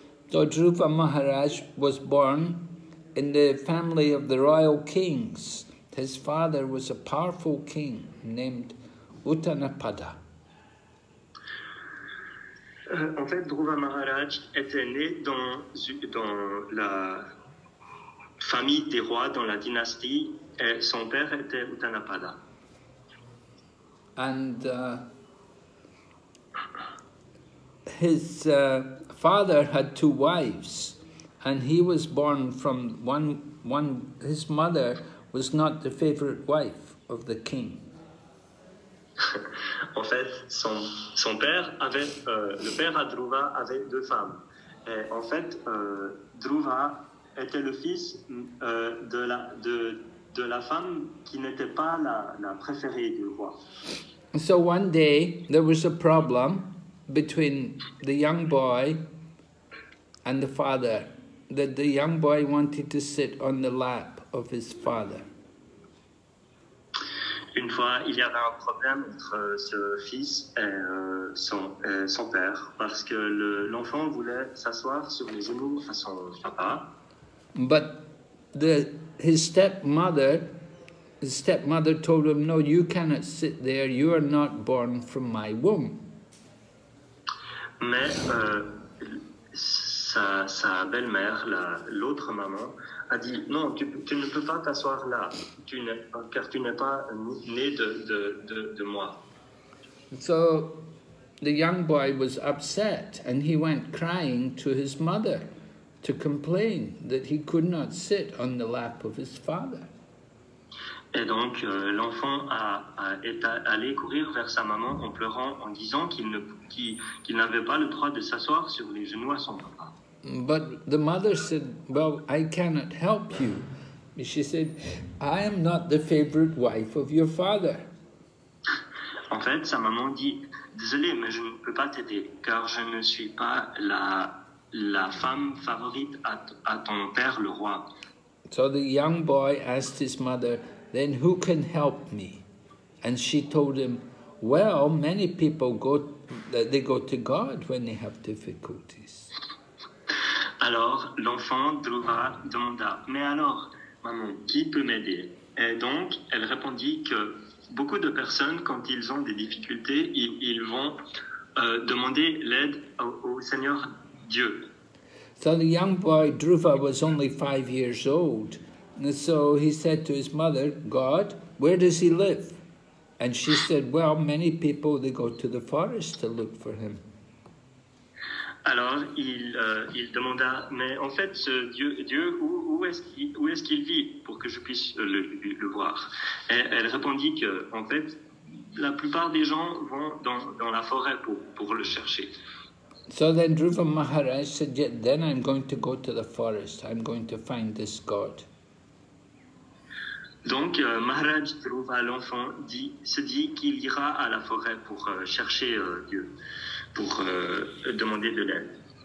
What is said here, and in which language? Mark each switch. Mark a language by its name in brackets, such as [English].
[English] So Dhruva Maharaj was born in the family of the royal kings. His father was a powerful king named Uttanapada. [French] En fait, Dhruva Maharaj était né dans la famille des rois, dans la dynastie, et son père était Uttanapada. [English] And his father had two wives, and he was born from one. His mother was not the favorite wife of the king. [French] En fait, son père avait le père à Dhruva avait deux femmes. Et en fait, Dhruva était le fils de la femme qui n'était pas la préférée du roi. [English] So one day there was a problem between the young boy and the father, that the young boy wanted to sit on the lap of his father. [French] Une fois, il y avait un problème entre ce fils et son père, parce que l'enfant voulait s'asseoir sur les genoux à son papa. [English] But his stepmother told him, no, you cannot sit there, you are not born from my womb. [French] Mais sa belle-mère, l'autre maman, a dit « Non, tu ne peux pas t'asseoir là, car tu n'es pas né de moi. » [English] So, the young boy was upset and he went crying to his mother to complain that he could not sit on the lap of his father. [French] Et donc, l'enfant est allé courir vers sa maman en pleurant, en disant qu'il n'avait pas le droit de s'asseoir sur les genoux à son papa. [English] But the mother said, well, I cannot help you. She said, I am not the favorite wife of your father. [French] En fait, sa maman dit, désolé, mais je ne peux pas t'aider, car je ne suis pas la femme favorite à ton père, le roi. [English] So the young boy asked his mother, then who can help me? And she told him, well, many people go to God when they have difficulties. [French] Alors l'enfant Dhruva demanda, mais alors, maman, qui peut m'aider? Et donc, elle répondit que beaucoup de personnes, quand ils ont des difficultés, ils vont demander l'aide au Seigneur Dieu. [English] So the young boy Dhruva was only 5 years old. So he said to his mother, God, where does he live? And she said, well, many people, they go to the forest to look for him. [French] Alors il demanda, mais en fait, Dieu, où est-ce qu'il vit pour que je puisse le voir? Et elle répondit que, en fait, la plupart des gens vont dans la forêt pour le chercher. [English] So then Dhruva Maharaj said, yeah, then I'm going to go to the forest. I'm going to find this God. [French] Donc Maharaj Dhruva, l'enfant, se dit qu'il ira à la forêt pour chercher Dieu, pour demander de l'aide.